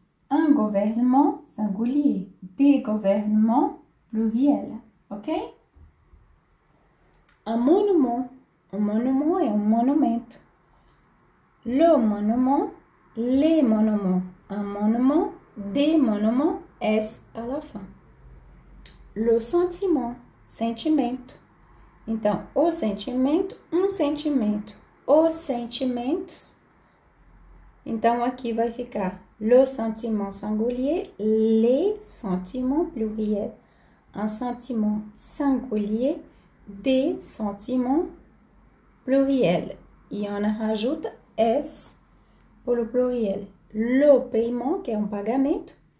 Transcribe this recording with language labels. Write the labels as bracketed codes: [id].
[fr] Un gouvernement, singulier. Des gouvernements, pluriel. Ok? Un monument est un monument. Le monument, les monuments. Un monument, des monuments, S à la fin. Le sentiment, sentimento. [pt] Então, o sentimento, um sentimento. Os sentimentos. Então, aqui vai ficar [fr] le sentiment singulier, les sentiments pluriel. Un sentiment singulier. Des sentiments pluriel. E on rajouta S pour le pluriel. [pt] Le paiement, que é um pagamento.